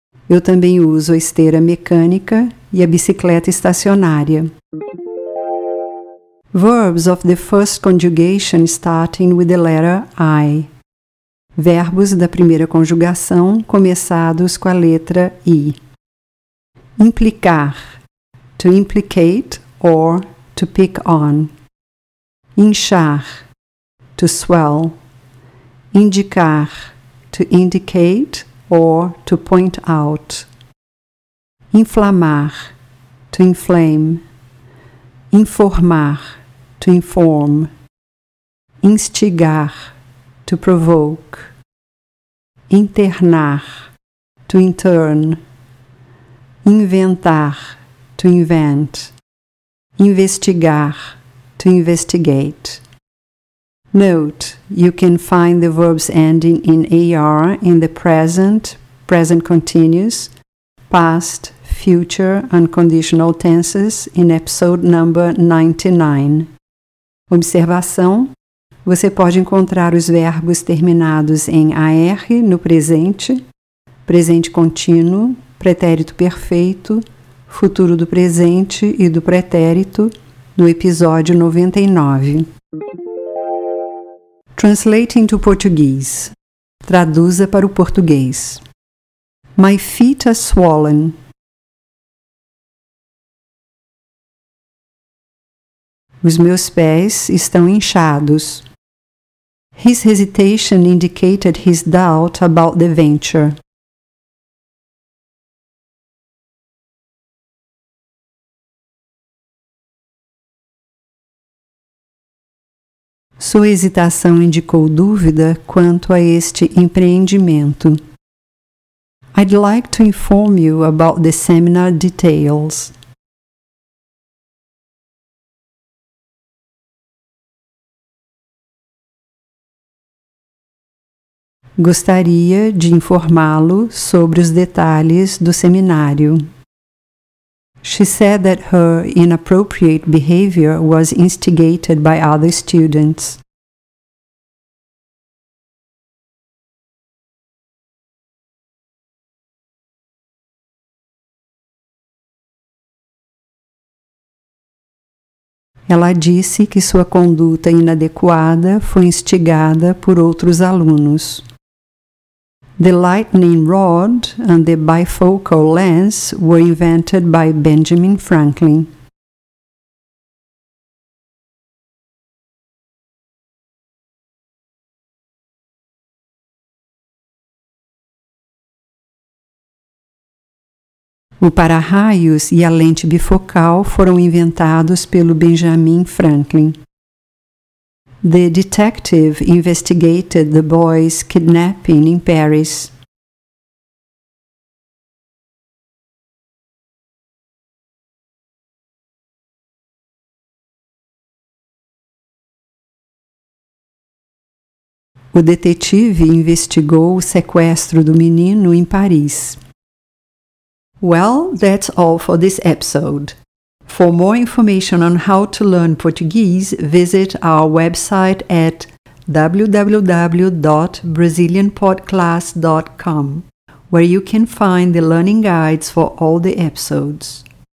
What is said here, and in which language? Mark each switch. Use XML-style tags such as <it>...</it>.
<pt>Eu também uso a esteira mecânica e a bicicleta estacionária.</pt> <en>Verbs of the first conjugation starting with the letter I.</en> <pt>Verbos da primeira conjugação começados com a letra I.</pt> <en>Implicar. To implicate or to pick on. Inchar. To swell. Indicar. To indicate or to point out. Inflamar. To inflame. Informar. To inform. Instigar. To provoke. Internar. To intern. Inventar. To invent. Investigar. To investigate. Note, you can find the verbs ending in AR in the present, present continuous, past, future, and conditional tenses in episode number 99.</en> <pt>Observação: você pode encontrar os verbos terminados em AR no presente, presente contínuo, pretérito perfeito, futuro do presente e do pretérito no episódio 99.</pt> <en>Translating to Portuguese.</en> <pt>Traduza para o português.</pt> <en>My feet are swollen.</en> <pt>Os meus pés estão inchados.</pt> <en>His hesitation indicated his doubt about the venture.</en> <pt>Sua hesitação indicou dúvida quanto a este empreendimento.</pt> <en>I'd like to inform you about the seminar details.</en> <pt>Gostaria de informá-lo sobre os detalhes do seminário.</pt> <en>She said that her inappropriate behavior was instigated by other students.</en> <pt>Ela disse que sua conduta inadequada foi instigada por outros alunos.</pt> <en>The lightning rod and the bifocal lens were invented by Benjamin Franklin.</en> <pt>O para-raios e a lente bifocal foram inventados pelo Benjamin Franklin.</pt> <en>The detective investigated the boy's kidnapping in Paris.</en> <pt>O detetive investigou o sequestro do menino em Paris.</pt> <en>Well, that's all for this episode. For more information on how to learn Portuguese, visit our website at www.brazilianpodclass.com, where you can find the learning guides for all the episodes.</en>